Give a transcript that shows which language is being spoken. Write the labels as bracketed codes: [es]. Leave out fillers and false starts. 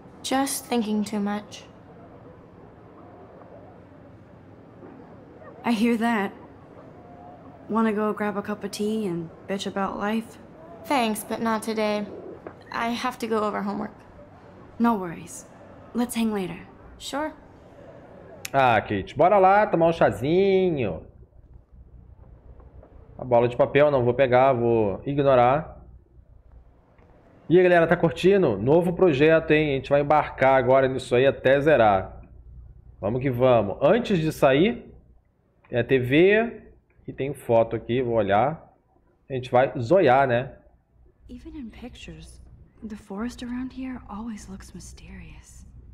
[en] Just thinking too much. I hear that. Wanna go grab a cup of tea and bitch about life? Thanks, but not today. I have to go over homework. No worries. Let's hang later. Sure. [pt] Ah, Kate, bora lá tomar um chazinho. A bola de papel não vou pegar, vou ignorar. E aí, galera, tá curtindo? Novo projeto, hein? A gente vai embarcar agora nisso aí até zerar. Vamos que vamos. Antes de sair, é a TV. E tem foto aqui, vou olhar. A gente vai zoiar, né? [en] Even in pictures, the forest around here always looks mysterious.